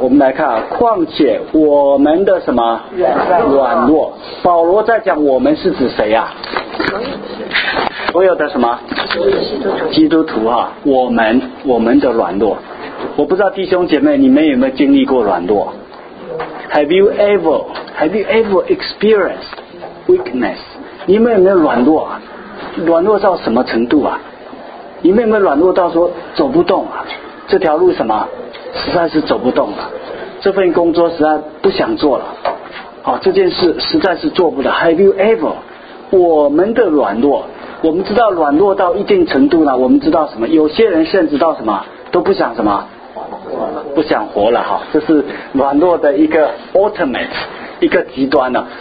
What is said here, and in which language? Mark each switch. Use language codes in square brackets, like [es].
[zh] 我们来看啊，况且我们的什么软弱，保罗在讲我们是指谁啊？所有的什么基督徒啊，我们的软弱。我不知道弟兄姐妹你们有没有经历过软弱。 [en] Have you ever experienced weakness? [zh] 你们有没有软弱啊？软弱到什么程度啊？你们有没有软弱到说走不动啊？这条路什么实在是走不动了、啊、这份工作实在不想做了、哦、这件事实在是做不了。 [en] Have you ever? [zh] 我们的软弱，我们知道软弱到一定程度呢，我们知道什么，有些人甚至到什么都不想什么，不想活了哈，这是软弱的一个 ultimate 一个极端了。